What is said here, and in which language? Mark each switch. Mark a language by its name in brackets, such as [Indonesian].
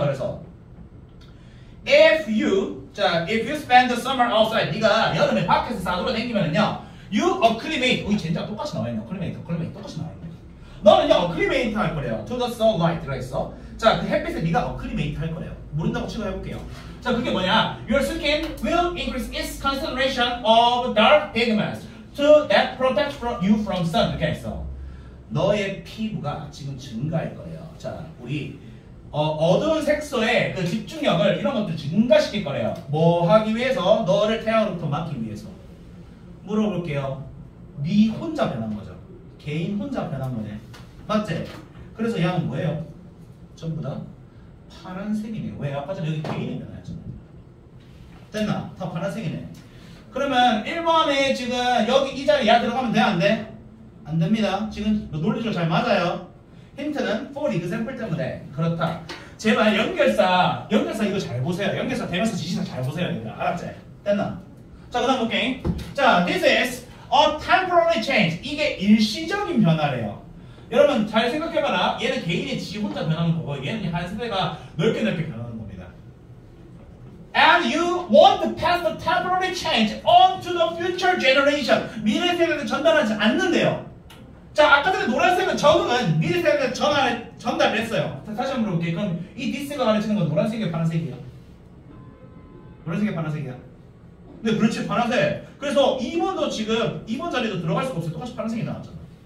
[English] 그래서 if you, 자, if you spend the summer outside, 네가 여름에 밖에서 싸돌아 다니면은요, you acclimate. [Korean] 오이 젠장 똑같이 나와 있네. acclimate 똑같이 나와 있네. 너는요 acclimate 할 거래요. To the sunlight 들어 있어. 자, 그 햇빛에 네가 acclimate 할 거래요. 모른다고 치고 해볼게요. 자, 그게 뭐냐? [English] Your skin will increase its concentration of dark pigments. To that protects from you from sun. 이렇게 했어. [Korean] 너의 피부가 지금 증가할 거예요. 자, 우리 어두운 색소의 그 집중력을 이런 것들 증가시킬 거래요. 뭐 하기 위해서? 너를 태양으로부터 막기 위해서. 물어볼게요. 네 혼자 변한 거죠. 개인 혼자 변한 거네. 맞지? 그래서 양은 뭐예요? 전부 다 파란색이네. 왜? 아까 전 여기 개인의 변화였잖아. 됐나? 다 파란색이네. 그러면 1번에 지금 여기 이 자리에 야 들어가면 돼? 안 돼? 안 됩니다. 지금 논리적으로 잘 맞아요. 힌트는 for example 때문에 그렇다. 제발 연결사 이거 잘 보세요. 연결사 되면서 지시사 잘 보세요. 알았지? 됐나? 자, 그 다음 볼게. 자, this is a temporary change. 이게 일시적인 변화래요. 여러분 잘 생각해봐라. 얘는 개인의 지 혼자 변하는 거고 얘는 한 세대가 넓게 넓게 변하는 거고. [English] And you want to pass the temporary change on to the future generation. [Korean] 미래 세대에게 전달하지 않는데요. 자, 아까 전에 노란색은 적응은 미래 세대에게 전달했어요. 다시 한번 물어볼게요. 그럼 이 디스가 가르치는 건 노란색이에요, 파란색이에요? 노란색이에요, 파란색이에요? 네, 그렇지, 파란색. 그래서 2번도 지금, 2번 자리도 들어갈 수가 없어요. 똑같이 파란색이 나왔잖아.